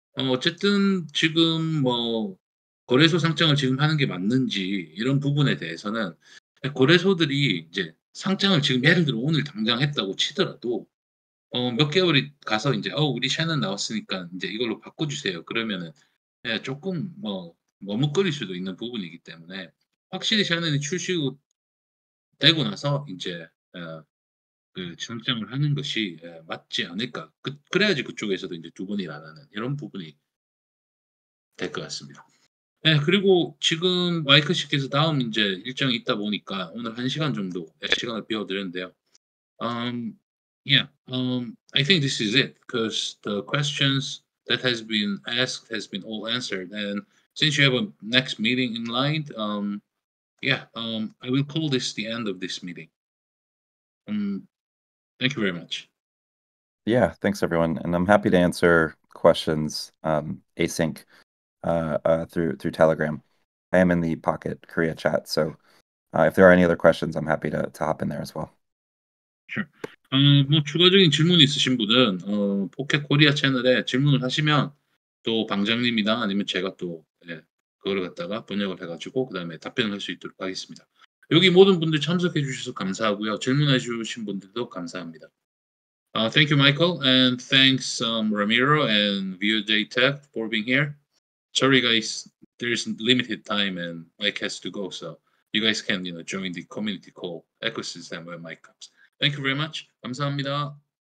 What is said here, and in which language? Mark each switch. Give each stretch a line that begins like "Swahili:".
Korean: 어쨌든 지금 뭐 거래소 상장을 지금 하는 게 맞는지 이런 부분에 대해서는 거래소들이 이제 상장을 지금 예를 들어 오늘 당장 했다고 치더라도 몇 개월이 가서 이제 우리 샤넌 나왔으니까 이제 이걸로 바꿔주세요 그러면은 조금 뭐 머뭇거릴 수도 있는 부분이기 때문에 확실히 샤넌이 출시되고 나서 이제 그 상장을 하는 것이 맞지 않을까. 그래야지 그쪽에서도 이제 두 번이 안 하는 이런 부분이 될 것 같습니다. 네, 그리고 지금 마이크 씨께서 다음 이제 일정이 있다 보니까 오늘 한 시간 정도 시간을 비워드렸는데요.
English: I think this is it because the questions that has been asked has been all answered. And since you have a next meeting in line, I will call this the end of this meeting. Thank you very much. Yeah, thanks everyone. And I'm happy to answer questions async through Telegram. I am in the Pocket Korea chat. So if there are any other questions, I'm happy to hop in there as well. Sure.
Korean: 뭐 추가적인 질문 있으신 분은 Pocket Korea 채널에 질문을 하시면 또 방장님이나 아니면 제가 또 그걸 갖다가 번역을 해가지고 그 다음에 답변을 할 수 있도록 하겠습니다. 여기 모든 분들 참석해 주셔서 감사하고요. 질문해 주신 분들도 감사합니다.
English: Thank you, Michael. And thanks, Ramiro and VueJTech for being here. Sorry, guys. There's limited time and Mike has to go. So you guys can, you know, join the community call ecosystem when Mike comes. Thank you very much.
Korean: 감사합니다.